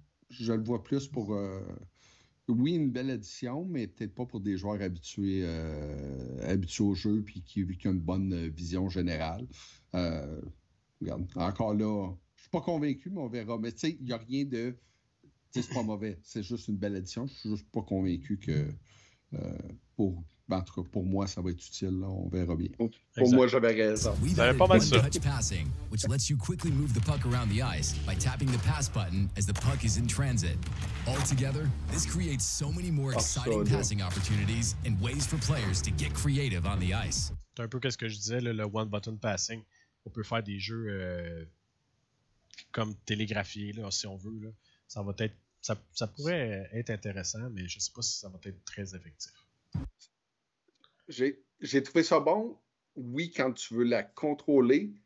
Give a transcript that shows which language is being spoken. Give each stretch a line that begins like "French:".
French: Je le vois plus pour... oui, une belle addition, mais peut-être pas pour des joueurs habitués au jeu puis qui ont une bonne vision générale. Regarde, encore là, je suis pas convaincu, mais on verra. Mais tu sais, il n'y a rien de... c'est pas mauvais, c'est juste une belle addition. Je suis juste pas convaincu que pour moi, ça va être utile. Là. On verra bien. Exactement. Pour moi, j'avais raison. C'est pas mal ça.
English: Altogether, this creates so many more exciting passing opportunities and ways for players to get creative on the ice.
French: C'est un peu qu'est-ce que je disais, le one button passing. On peut faire des jeux comme télégraphiés, là, si on veut. Là. Ça va être, ça pourrait être intéressant, mais je ne sais pas si ça va être très effectif. J'ai trouvé ça bon. Oui, quand tu veux la contrôler.